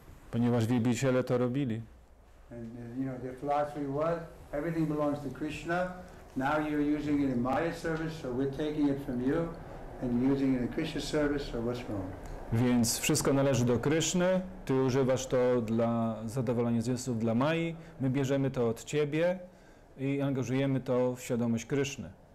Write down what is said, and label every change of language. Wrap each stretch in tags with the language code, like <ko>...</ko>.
<pl>ponieważ wielbiciele to robili.</pl> <en>And you know, their philosophy was everything belongs to Krishna. Now you're using it in Maya service, so we're taking it from you and using it in Krishna service, so what's wrong?</en> <pl>Więc wszystko należy do Kryszny, ty używasz to dla zadowolenia zwiastów dla Mai, my bierzemy to od ciebie i angażujemy to w świadomość Kryszny.</pl>